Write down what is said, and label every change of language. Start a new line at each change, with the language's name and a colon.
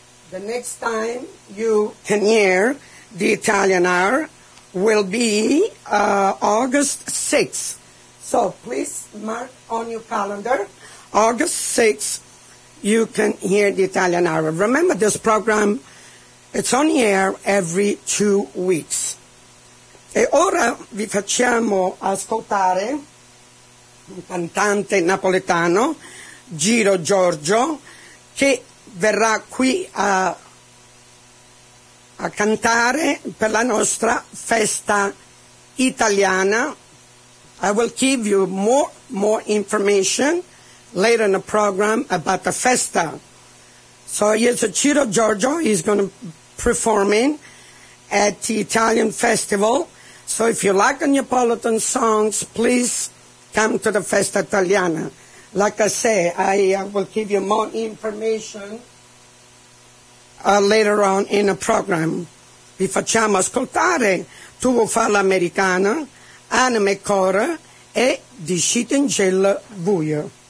English: The next time you can hear the Italian Hour will be August 6th. So please mark on your calendar, August 6th, you can hear the Italian Hour. Remember this program, it's on the air every 2 weeks.
Italian: E ora vi facciamo ascoltare un cantante napoletano, Giro Giorgio, che verrà qui a cantare per la nostra festa italiana.
English: I will give you more information later in the program about the festa. So yes, Giro Giorgio is going to performing at the Italian festival. So if you like Neapolitan songs, please come to the Festa Italiana. Like I say, I will give you more information later on in the program.
Italian: Vi facciamo ascoltare Tu vuoi fare l'americana, Anima e Cora e Discito in Cielo Buio.